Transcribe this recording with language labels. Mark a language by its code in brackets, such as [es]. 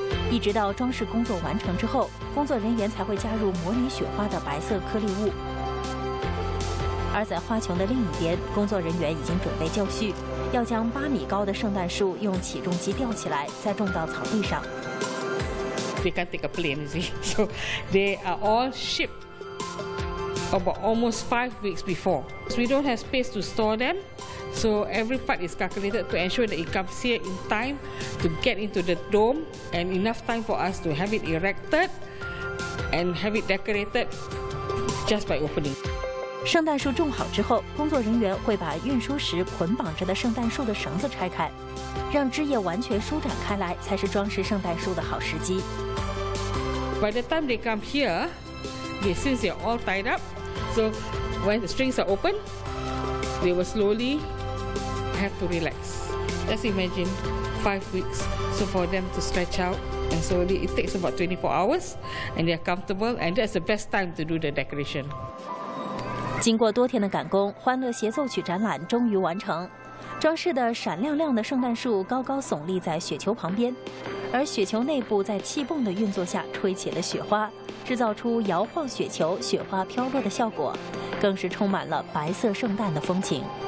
[zh] 一直到装饰工作完成之后，工作人员才会加入模拟雪花的白色颗粒物。而在花琼的另一边，工作人员已经准备就绪，要将8米高的圣诞树用起重机吊起来，再种到草地上。 [en] They can't take a plane, you see, so they are all shipped. About almost 5 weeks before. We don't have space to store them, so every part is calculated to ensure that it comes here in time to get into the dome and enough time for us to have it erected and have it decorated just by opening. [zh] 圣诞树种好之后，工作人员会把运输时捆绑着的圣诞树的绳子拆开，让枝叶完全舒展开来，才是装饰圣诞树的好时机。 [en] By the time they come here,Since they're all tied up, so when the strings are open, they will slowly have to relax. Just imagine 5 weeks, so for them to stretch out, and slowly it takes about 24 hours, and they're comfortable, and that's the best time to do the decoration. [zh] 经过多天的赶工，欢乐协奏曲展览终于完成。装饰的闪亮亮的圣诞树高高耸立在雪球旁边，而雪球内部在气泵的运作下吹起了雪花，制造出摇晃雪球、雪花飘落的效果，更是充满了白色圣诞的风情。